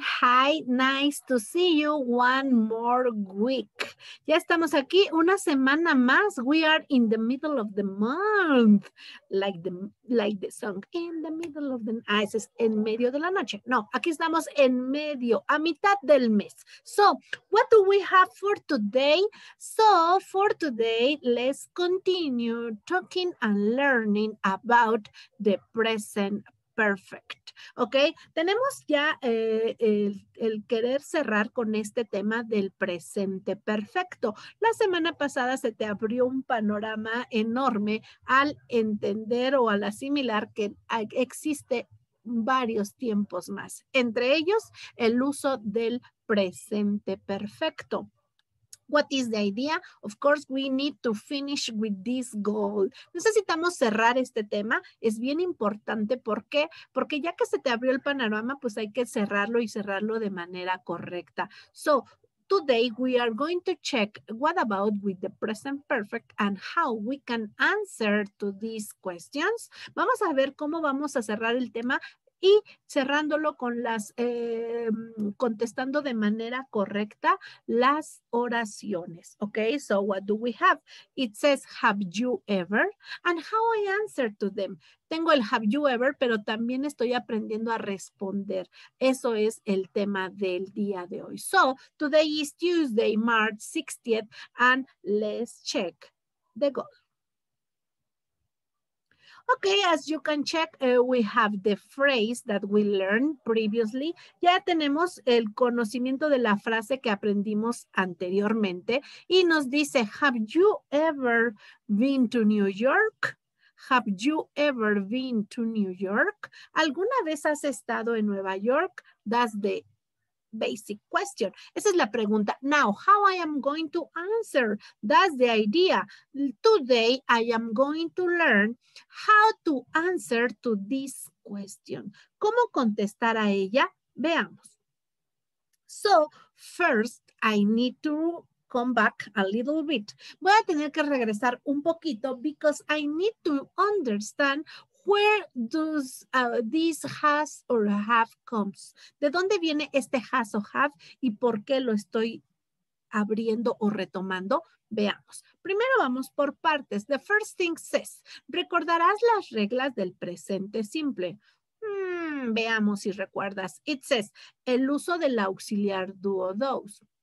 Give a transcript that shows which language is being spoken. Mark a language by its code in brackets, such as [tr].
[en] Hi, nice to see you one more week. [es] Ya estamos aquí una semana más. [en] We are in the middle of the month. Like the song. In the middle of the. [es] Ah, ese es en medio de la noche. No, aquí estamos en medio, a mitad del mes. [en] So, what do we have for today? So, for today, let's continue talking and learning about the present perfect. [es] Ok, tenemos ya el querer cerrar con este tema del presente perfecto. La semana pasada se te abrió un panorama enorme al entender o al asimilar que existe varios tiempos más, entre ellos el uso del presente perfecto. [en] What is the idea? Of course, we need to finish with this goal. [es] Necesitamos cerrar este tema. Es bien importante. ¿Por qué? Porque ya que se te abrió el panorama, pues hay que cerrarlo y cerrarlo de manera correcta. [en] So, today we are going to check what about with the present perfect and how we can answer to these questions. [es] Vamos a ver cómo vamos a cerrar el tema y cerrándolo con las, contestando de manera correcta las oraciones. [en] Okay, so what do we have? It says, have you ever? And how I answer to them. [es] Tengo el have you ever, pero también estoy aprendiendo a responder. Eso es el tema del día de hoy. [en] So, today is Tuesday, March 60th, and let's check the goal. Okay, as you can check, we have the phrase that we learned previously. [es] Ya tenemos el conocimiento de la frase que aprendimos anteriormente y nos dice, [en] have you ever been to New York? Have you ever been to New York? [es] ¿Alguna vez has estado en Nueva York? [en] That's the basic question. [es] Esa es la pregunta. [en] Now, how I am going to answer? That's the idea. Today, I am going to learn how to answer to this question. [es] ¿Cómo contestar a ella? Veamos. [en] So, first, I need to come back a little bit. [es] Voy a tener que regresar un poquito [en] because I need to understand where does this has or have comes? [es] ¿De dónde viene este has or have y por qué lo estoy abriendo o retomando? Veamos. Primero vamos por partes. [en] The first thing says, [es] ¿recordarás las reglas del presente simple? Veamos si recuerdas. It says, el uso del auxiliar do or does.